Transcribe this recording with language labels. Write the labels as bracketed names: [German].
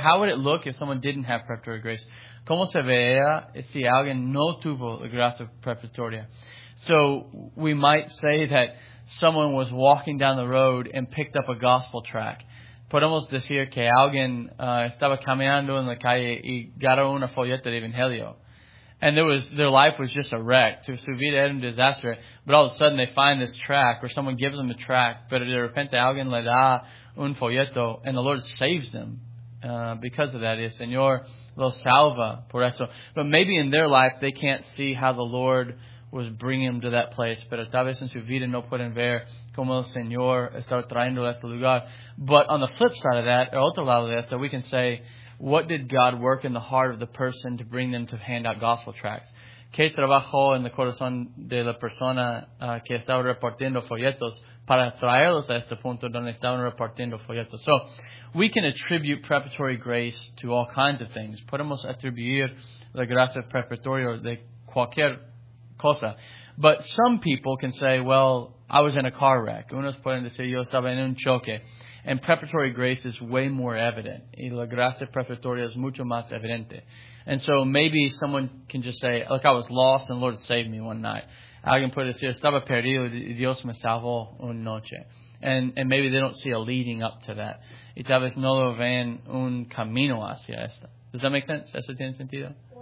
[English] How would it look if someone didn't have preparatory grace? [Spanish] ¿Cómo se vería si alguien no tuvo la gracia preparatoria? [English] So we might say that someone was walking down the road and picked up a gospel track. [Spanish] Podemos decir que alguien estaba caminando en la calle y agarró una folleta del Evangelio. [English] And their life was just a wreck. [Spanish] Su vida era un desastre. [English] But all of a sudden they find this track, or someone gives them a track, [Spanish] pero de repente alguien le da un folleto, [English] and the Lord saves them because of that. [Spanish] El Señor los salva por eso. [English] But maybe in their life they can't see how the Lord was bringing them to that place. [Spanish] Pero tal vez en su vida no pueden ver cómo el Señor estaba trayendo a este lugar. [English] But on the flip side of that, [Spanish] el otro lado de esto, [English] we can say, what did God work in the heart of the person to bring them to hand out gospel tracts? [Spanish] ¿Qué trabajó en el corazón de la persona que estaba repartiendo folletos para traerlos a este punto donde estaban repartiendo folletos? [English] So, we can attribute preparatory grace to all kinds of things. [Spanish] Podemos atribuir la gracia preparatoria de cualquier cosa. [English] But some people can say, well, I was in a car wreck. [Spanish] Unos pueden decir, yo estaba en un choque. [English] And preparatory grace is way more evident. [Spanish] Y la gracia preparatoria es mucho más evidente. [English] And so maybe someone can just say, look, I was lost and the Lord saved me one night. [Spanish] Alguien puede decir, estaba perdido y Dios me salvó una noche. [English] And maybe they don't see a leading up to that. [Spanish] Y tal vez no lo ven un camino hacia esto. [English] Does that make sense? [Spanish] ¿Eso tiene sentido?